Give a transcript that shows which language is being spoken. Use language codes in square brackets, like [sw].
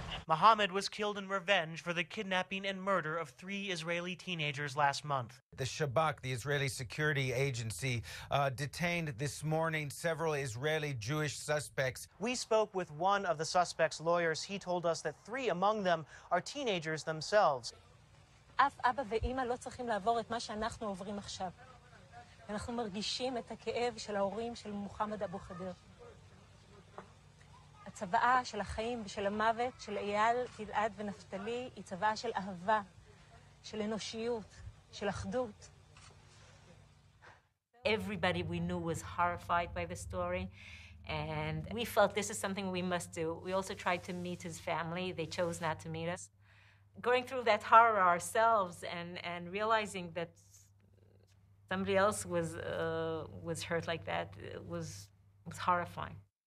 [en] Mohammed was killed in revenge for the kidnapping and murder of three Israeli teenagers last month. The Shabak, the Israeli security agency, detained this morning several Israeli Jewish suspects. We spoke with one of the suspects' lawyers. He told us that three among them are teenagers themselves. [he] אף אבא ואמא לא צריכים לעבור את מה שאנחנו עוברים עכשיו. אנחנו מרגישים את הכאב של ההורים של מוחמד אבו חדר. הצוואה של החיים ושל המוות של אייל, גלעד ונפתלי היא צוואה של אהבה, של אנושיות, של אחדות. [en] Everybody we knew was horrified by the story. And we felt this is something we must do. We also tried to meet his family. They chose not to meet us. Going through that horror ourselves and realizing that somebody else was hurt like that was horrifying.